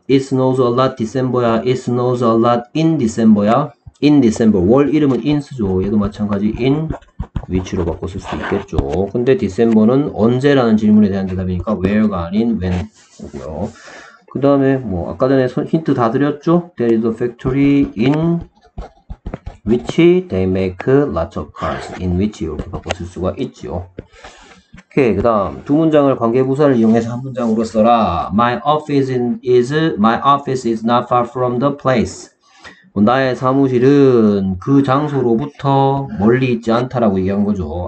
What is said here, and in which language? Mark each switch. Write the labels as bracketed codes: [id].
[en] It snows a lot December야. It snows a lot in December야. In December. [ko] 월 이름은 ins죠. 얘도 마찬가지 in 위치로 바꿨을 수도 있겠죠. 근데 December는 언제라는 질문에 대한 대답이니까 where가 아닌 when고요. 그 다음에 뭐 아까 전에 힌트 다 드렸죠? [en] There is a factory in which they make lots of cars. [ko] In which 이렇게 바꿨을 수가 있지요. 오케이, 그 다음 두 문장을 관계부사를 이용해서 한 문장으로 써라. [en] My office is not far from the place. [ko] 나의 사무실은 그 장소로부터 멀리 있지 않다라고 얘기한 거죠.